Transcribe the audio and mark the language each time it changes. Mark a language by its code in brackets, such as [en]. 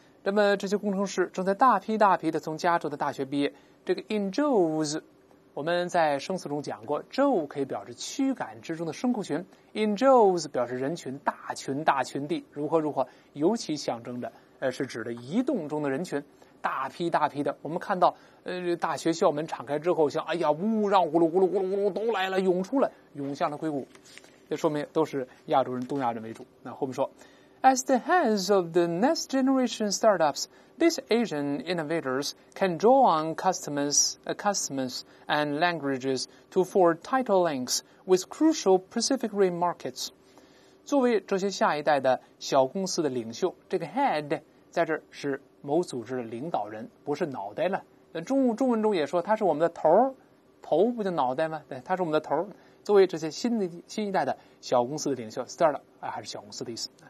[zh] 那么这些工程师正在大批大批的从加州的大学毕业，这个 in droves， 我们在生词中讲过 drove 可以表示驱赶之中的牲畜群， in droves 表示人群，大群大群地如何如何，尤其象征着是指的移动中的人群，大批大批的，我们看到大学校门敞开之后，像哎呀呜让呼噜呼噜呼噜呼噜都来了，涌出了，涌向了硅谷，这说明都是亚洲人，东亚人为主。那后面说 [en] As the heads of the next generation startups, these Asian innovators can draw on customers and languages to forge tighter links with crucial Pacific Rim markets. [zh] 作为这些下一代的小公司的领袖，这个 head 在这是某组织的领导人，不是脑袋了。中文中也说他是我们的头，头不就脑袋吗？对，他是我们的头。作为这些新一代的小公司的领袖 ，startup 啊，还是小公司的意思。